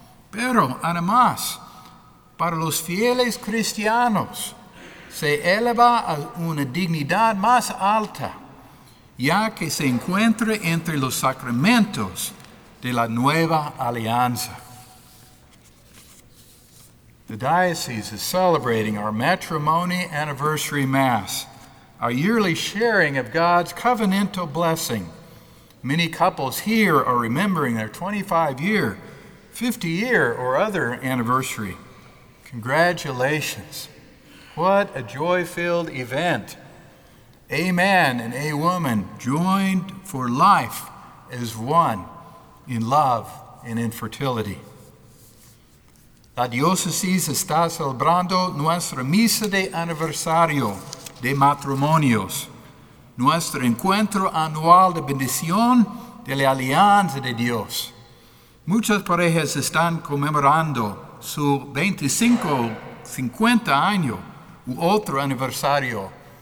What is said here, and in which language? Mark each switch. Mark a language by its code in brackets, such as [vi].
[es] Pero además, para los fieles cristianos, se eleva a una dignidad más alta, ya que se encuentra entre los sacramentos de la nueva alianza. [en] The diocese is celebrating our matrimony anniversary mass, our yearly sharing of God's covenantal blessing. Many couples here are remembering their 25-year, 50-year, or other anniversary. Congratulations. What a joy-filled event. A man and a woman joined for life as one in love and in fertility. [es] La diócesis está celebrando nuestra misa de aniversario de matrimonios, nuestro encuentro anual de bendición de la alianza de Dios. Muchas parejas están conmemorando su 25, 50 año u otro aniversario.